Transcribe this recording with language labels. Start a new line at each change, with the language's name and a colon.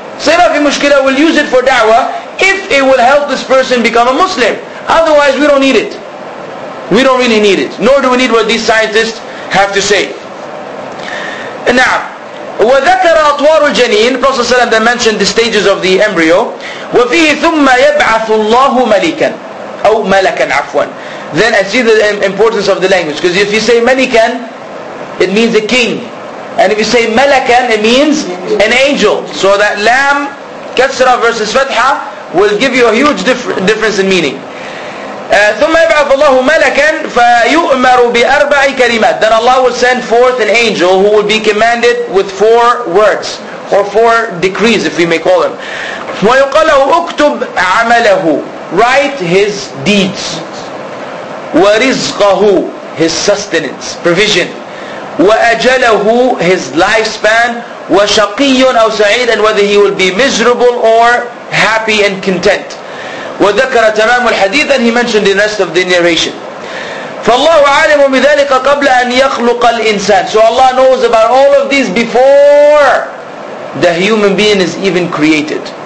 English: Sayyidina fi mushkila will use it for da'wah if it will help this person become a Muslim. Otherwise we don't need it. We don't really need it. Nor do we need what these scientists have to say. Now,
Arabic: وَذَكَرَ أَطْوَارُ الْجَنِينَ
English: Prophet ﷺ then mentioned the stages of the embryo.
Arabic: وَفِيهِ ثُمَّ يَبْعَثُ اللَّهُ مَلِكًا أو مَلَكًا عَفْوًا.
English: Then I see the importance of the language. Because if you say مَلِكًا, it means a king. And if you say مَلَكًا, it means an angel. So that lam, كَسْرَة versus فَتْحَة will give you a huge difference in meaning.
Arabic: ثُمَّ يَبْعَثُ اللَّهُ مَلَكًا فَيُؤْمَرُ بِأَرْبَعِ كَلِمَاتٍ
English: Then Allah will send forth an angel who will be commanded with four words, or four decrees if we may call them.
Arabic: وَيُقَالَ لَهُ اُكْتُبْ عَمَلَهُ
English: Write his deeds.
Arabic: وَرِزْقَهُ
English: His sustenance, provision.
Arabic: وَأَجَلَهُ
English: His lifespan.
Arabic: وَشَقِيٌّ أَوْ سَعِيدٌ
English: And whether he will be miserable or happy and content.
Arabic: وَذَكَرَ تَمَامُ الْحَدِيثِ
English: And he mentioned the rest of the narration.
Arabic: فَاللَّهُ عَالِمُ بِذَلِكَ قَبْلَ أَنْ يَخْلُقَ الْإِنسَانِ
English: So Allah knows about all of these before the human being is even created.